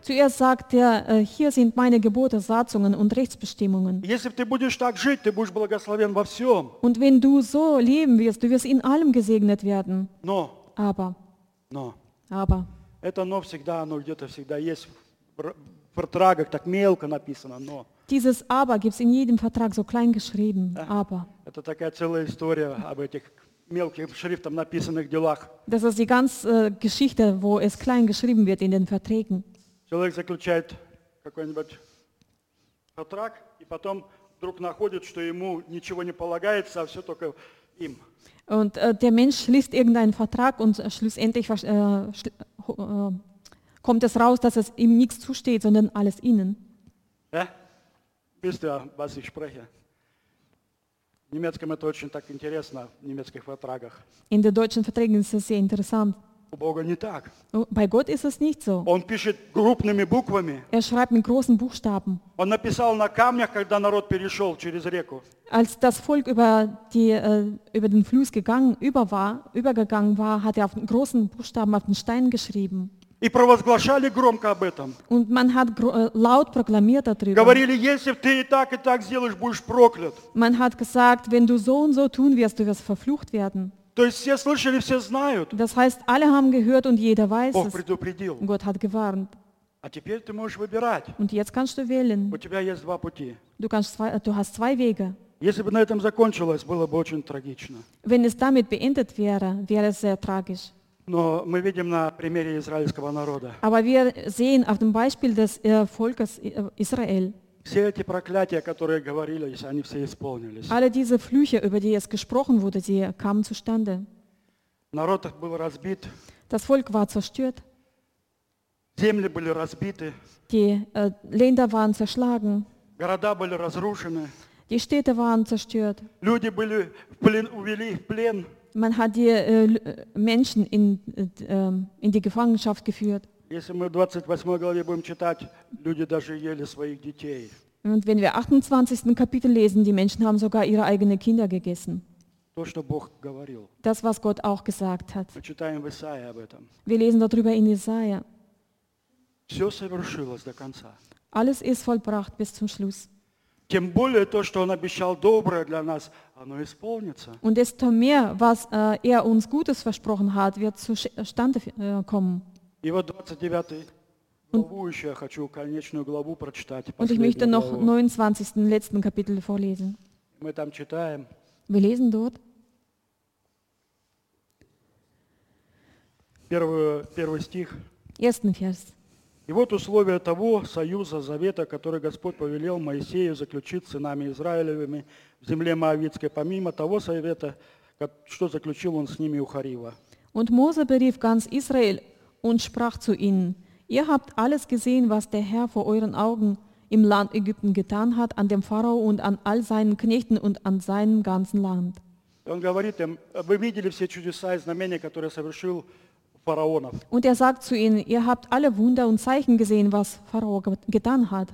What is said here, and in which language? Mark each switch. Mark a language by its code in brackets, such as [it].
[de] Zuerst sagt er, hier sind meine Gebote, Satzungen und Rechtsbestimmungen. [ru] Если ты будешь так жить, ты будешь благословен во всем. [de] Und wenn du so leben wirst, du wirst in allem gesegnet werden. [ru] Но. [de] Aber. [ru] Но. [de] Aber. [ru] Это «но» всегда, оно где-то всегда есть в Vertragах, так мелко написано «но». [de] Dieses «aber» gibt es in jedem Vertrag so klein geschrieben, «aber». [ru] Это такая целая история об этих мелких шрифтом написанных делах. [de] Das ist die ganze Geschichte, wo es klein geschrieben wird in den Verträgen. [ru] Человек заключает какой-нибудь Vertrag и потом вдруг находит, что ему ничего не полагается, а все только им. [de] Und der Mensch schließt irgendeinen Vertrag und schlussendlich kommt es raus, dass es ihm nichts zusteht, sondern alles ihnen. Ja? Wisst ihr, was ich spreche? [ru] В немецком это очень так интересно, в немецких Vertragах. [de] In den deutschen Verträgen ist es sehr interessant. [ru] У Бога не так. [de] Bei Gott ist es nicht so. [ru] Он пишет крупными буквами. [de] Er schreibt mit großen Buchstaben. [ru] Он написал на камнях, когда народ перешел через реку. [de] Als das Volk über den Fluss gegangen, übergegangen war, hat er auf großen Buchstaben auf den Stein geschrieben. [ru] И провозглашали громко об этом. [de] Und man hat laut proklamiert darüber. [ru] Говорили, если ты и так сделаешь, будешь проклят. [de] Man hat gesagt, wenn du so und so tun wirst, du wirst verflucht werden. [ru] То есть все слышали, все знают. [de] Das heißt, alle haben gehört und jeder weiß [ru] Бог предупредил. [de] Gott hat gewarnt. [ru] А теперь ты можешь выбирать. [de] Und jetzt kannst du wählen. [ru] У тебя есть два пути. [de] Du hast zwei Wege. [ru] Если бы на этом закончилось, было бы очень трагично. [de] Wenn es damit beendet wäre, wäre es sehr tragisch. [ru] Но мы видим на примере израильского народа. [de] Aber wir sehen auf dem Beispiel des Volkes Israel. [ru] Все эти проклятия, которые говорились, они все исполнились. [de] Alle diese Flüche, über die es gesprochen wurde, die kamen zustande. [ru] Народ был разбит. [de] Das Volk war zerstört. [ru] Земли были разбиты. [de] Die Länder waren zerschlagen. [ru] Города были разрушены. [de] Die Städte waren zerstört. [ru] Люди были в плен, увели в плен. [de] Man hat die Menschen in die Gefangenschaft geführt. [ru] Если мы в 28 главе будем читать, люди даже ели своих детей. [de] Und wenn wir 28. Kapitel lesen, die Menschen haben sogar ihre eigenen Kinder gegessen. [ru] То, что Бог говорил. [de] Das, was Gott auch gesagt hat. [ru] Мы читаем в Исаии об этом. [de] Wir lesen darüber in Jesaja. [ru] Все совершилось до конца. [de] Alles ist vollbracht bis zum Schluss. [ru] Тем более то, что Он обещал доброе для нас, оно исполнится. [de] Und desto mehr, was er uns Gutes versprochen hat, wird zustande kommen. [ru] И вот 29 главу еще я хочу конечную главу прочитать. [de] Und ich möchte noch 29. letzten Kapitel vorlesen. [ru] Мы там читаем. [de] Wir lesen dort. [ru] Первый стих. [de] Ersten Vers. [ru] И вот условия того союза, завета, который Господь повелел Моисею заключить с сынами Израилевыми в земле Моавитской, помимо того совета, что заключил он с ними у Харива. [de] Und Mose berief ganz Israel und sprach zu ihnen, Ihr habt alles gesehen, was der Herr vor euren Augen im Land Ägypten getan hat, an dem Pharao und an all seinen Knechten und an seinem ganzen Land. Und er sagt zu ihnen, ihr habt alle Wunder und Zeichen gesehen, was Pharao getan hat.